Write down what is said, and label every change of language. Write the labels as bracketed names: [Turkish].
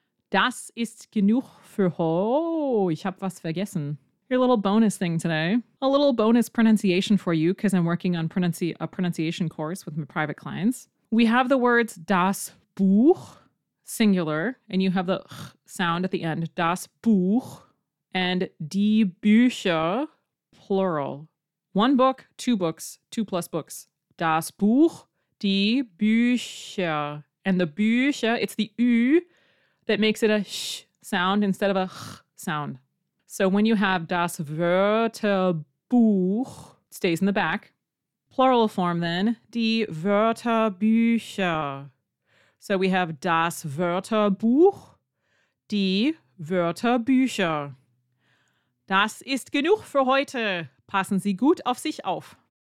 [German] Das ist genug für heute. Ich habe was vergessen. [English] Your little bonus thing today. A little bonus pronunciation for you because I'm working on a pronunciation course with my private clients. We have the words das Buch, singular, and you have the ch sound at the end. Das Buch and die Bücher, plural. One book, two books, two plus books. Das Buch, die Bücher. And the Bücher, it's the Ü that makes it a sh sound instead of a ch sound. So when you have das Wörterbuch, it stays in the back. Plural form then, die Wörterbücher. So we have das Wörterbuch, die Wörterbücher. [German] Das ist genug für heute. Passen Sie gut auf sich auf.